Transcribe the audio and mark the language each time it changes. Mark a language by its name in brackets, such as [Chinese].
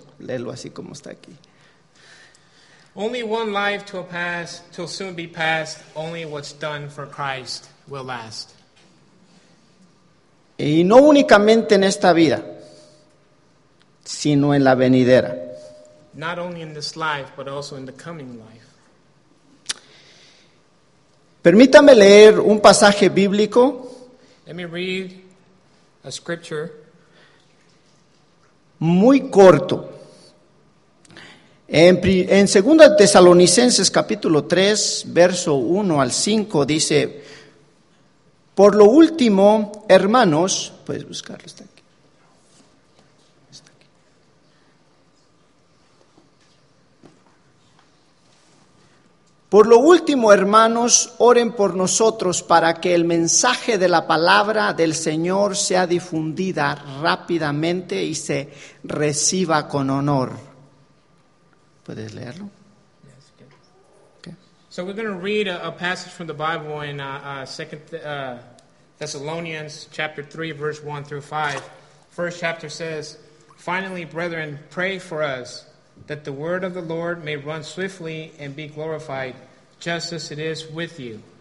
[Spanish] Léelo así como está aquí. [English] Only one life to pass, till soon be passed, only what's done for Christ will last. [Spanish] Y no únicamente en esta vida, sino en la venidera. [English] Not only in this life, but also in the coming life. [Spanish] Permítame leer un pasaje bíblico. [English] Let me read a scripture. [Spanish] Muy corto. En 2 Tesalonicenses capítulo 3, verso 1 al 5, dice: Por lo último, hermanos, puedes buscarlo, está aquí. Por lo último, hermanos, oren por nosotros para que el mensaje de la palabra del Señor sea difundida rápidamente y se reciba con honor. ¿Puedes leerlo? [English] Yes, okay. So we're going to read a passage from the Bible in 2 Thessalonians chapter 3, verse 1 through 5. First chapter says, "Finally, brethren, pray for us that the word of the Lord may run swiftly and be glorified, just as it is with you."